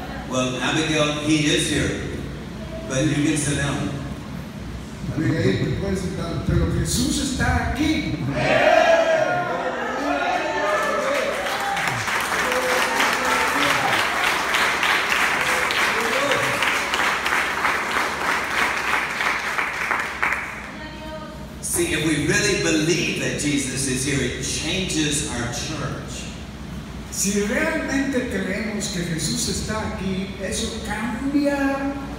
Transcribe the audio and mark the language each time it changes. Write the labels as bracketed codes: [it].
[en] Well, Abigail, he is here, but you can sit down. [es] Abigail, tú puedes sentar, pero Jesús está aquí. [en] Yeah. believe that Jesus is here, it changes our church. [es] Si realmente creemos que Jesús está aquí, eso cambia.